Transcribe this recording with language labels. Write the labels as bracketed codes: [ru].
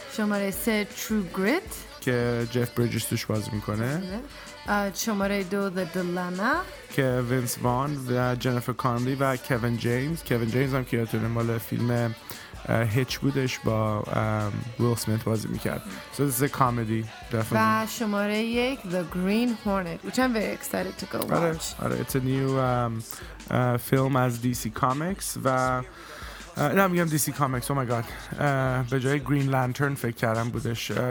[fa] شماره 3 True Grit که جف بریجز توش بازی میکنه. شماره 2 The Dilemma که وینس وان و جنیفر کانلی و کوین جیمز هم که یادتونه مال فیلم هیچ بودش با ویل سمیت بازی میکرد. [en] So this is a comedy definitely. [fa] و شماره 1 [en] The Green Hornet which I'm very excited to go watch. [fa] آره. [en] It's a new film [fa] از [en] DC Comics [fa] و نه میگم [en] DC Comics، oh my god، [fa] به جای [en] Green Lantern [fa] فکر کردم بودش.